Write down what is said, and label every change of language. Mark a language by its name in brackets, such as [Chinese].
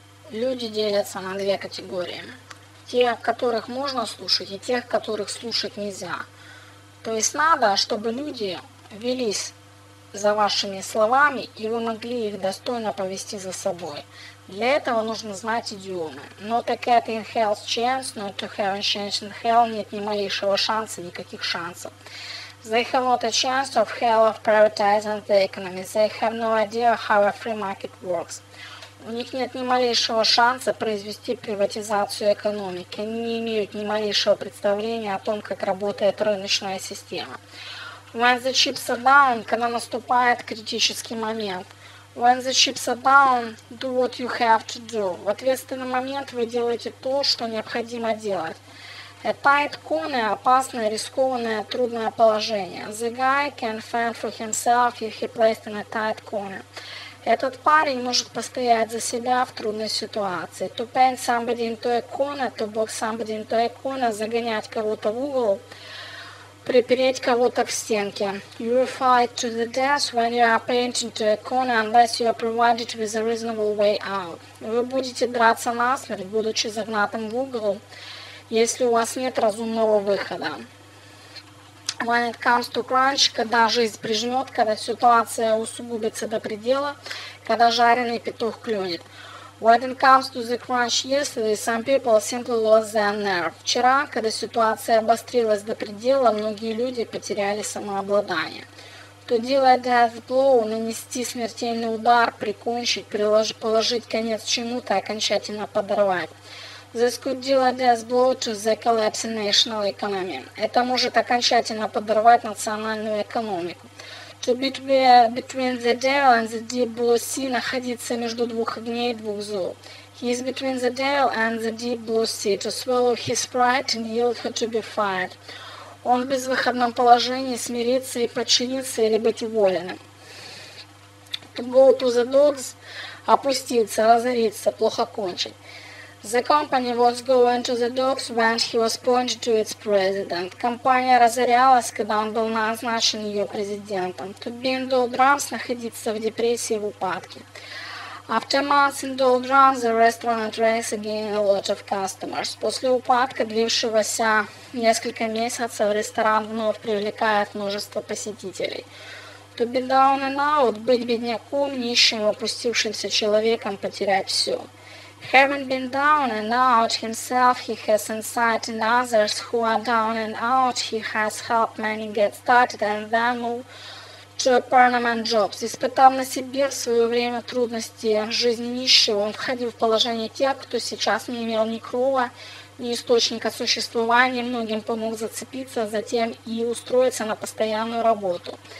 [Russian] Люди делятся на две категории. Те, которых можно слушать, и тех, которых слушать нельзя. То есть надо, чтобы люди велись за вашими словами, и вы могли их достойно повести за собой. Для этого нужно знать идиомы. [English] Not a cat in hell's chance, not to have a chance in hell. [Russian] Нет ни малейшего шанса, никаких шансов. [English] They have not a chance of hell of privatizing the economy. They have no idea how a free market works. [Russian] У них нет ни малейшего шанса произвести приватизацию экономики. Они не имеют ни малейшего представления о том, как работает рыночная система. [English] When the chips are down, [Russian] когда наступает критический момент. [English] When the chips are down, do what you have to do. [Russian] В ответственный момент вы делаете то, что необходимо делать. [English] A tight corner [Russian] – опасное, рискованное, трудное положение. [English] The guy can fend for himself if he placed in a tight corner. [Russian] Этот парень может постоять за себя в трудной ситуации. [English] To paint somebody into a corner, to box somebody into a corner, [Russian] загонять кого-то в угол, припереть кого-то к стенке. [English] You fight to the death when you are painted into a corner unless you are provided with a reasonable way out. [Russian] Вы будете драться насмерть, будучи загнатым в угол, если у вас нет разумного выхода. [English] When it comes to crunch, [Russian] когда жизнь прижмет, когда ситуация усугубится до предела, когда жареный петух клюнет. [English] When it comes to the crunch yesterday, some people simply lost their nerve. [Russian] Вчера, когда ситуация обострилась до предела, многие люди потеряли самообладание. [English] To deal a death blow, [Russian] нанести смертельный удар, прикончить, положить конец чему-то, окончательно подорвать. [English] This could deal a death blow to the collapsing national economy. [Russian] Это может окончательно подорвать национальную экономику. [English] To be between the devil and the deep blue sea, [Russian] находиться между двух огней и двух зол. [English] He is between the devil and the deep blue sea, to swallow his pride and yield her to be fired. [Russian] Он в безвыходном положении, смириться и подчиниться или быть уволенным. [English] To go to the dogs, [Russian] опуститься, разориться, плохо кончить. [English] The company was going to the dogs when he was appointed to its president. [Russian] Компания разорялась, когда он был назначен ее президентом. [English] To be in doldrums, [Russian] находиться в депрессии, в упадке. [English] After months in doldrums, the restaurant attracts again a lot of customers. [Russian] После упадка, длившегося несколько месяцев, ресторан вновь привлекает множество посетителей. [English] To be down and out, [Russian] быть бедняком, нищим, опустившимся человеком, потерять все. [English] Having been down and out himself, he has insight in others who are down and out. He has helped many get started and then move to a permanent job. [Russian] Испытав на себе в свое время трудности жизни нищего, он входил в положение тех, кто сейчас не имел ни крова, ни источника существования, многим помог зацепиться, затем и устроиться на постоянную работу.